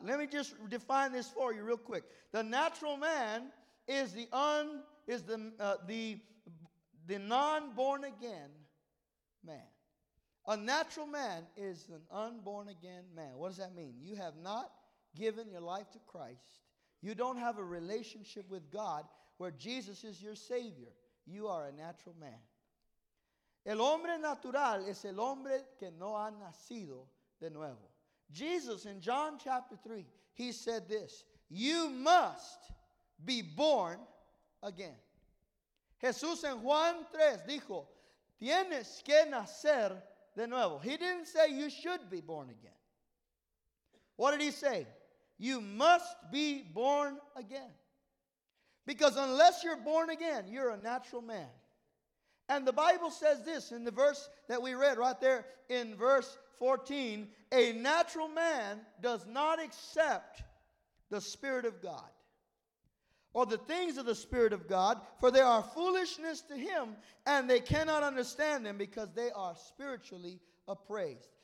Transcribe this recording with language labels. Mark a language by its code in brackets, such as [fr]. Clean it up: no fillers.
[en] Let me just define this for you real quick. The natural man is the non-born again man. A natural man is an unborn again man. What does that mean? You have not given your life to Christ. You don't have a relationship with God where Jesus is your Savior. You are a natural man. [es] El hombre natural es el hombre que no ha nacido. De nuevo. [en] Jesus, in John chapter 3, he said this, you must be born again. [es] Jesús en Juan 3 dijo, tienes que nacer de nuevo. [en] He didn't say you should be born again. What did he say? You must be born again. Because unless you're born again, you're a natural man. And the Bible says this in the verse that we read right there in verse 14, a natural man does not accept the Spirit of God or the things of the Spirit of God, for they are foolishness to him and they cannot understand them because they are spiritually appraised.